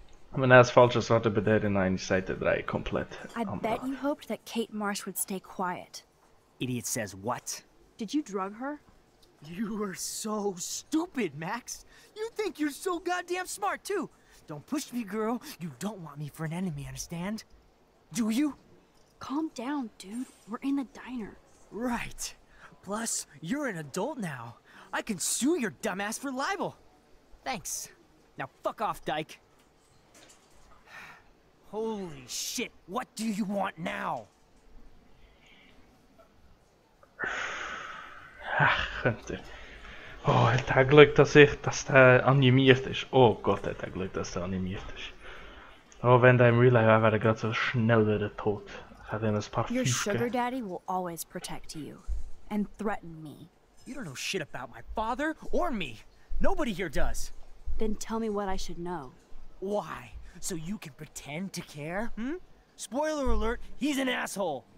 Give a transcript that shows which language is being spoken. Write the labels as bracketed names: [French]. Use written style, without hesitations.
[German] Wenn er das falsche Sorte bedeutet, dann ist Seite 3 komplett. [English] I bet you hoped that Kate Marsh would stay quiet. Idiot says what? Did you drug her? You are so stupid, Max. You think you're so goddamn smart, too. Don't push me, girl. You don't want me for an enemy, understand? Do you? Calm down, dude. We're in the diner. Right. Plus, you're an adult now. I can sue your dumbass for libel. Thanks. Now fuck off, Dyke. Holy shit, what do you want now? [German] Ach, könnte. Oh, hat er Glück, dass der animiert ist. Oh Gott, hat er Glück, dass der animiert ist. Oh, wenn der im Real Life wäre, gerade so schnell wieder tot. Hat er das Parfüm. [English] Your sugar daddy will always protect you and threaten me. You don't know shit about my father or me. Nobody here does. Then tell me what I should know. Why? So you can pretend to care, hmm? Spoiler alert, he's an asshole.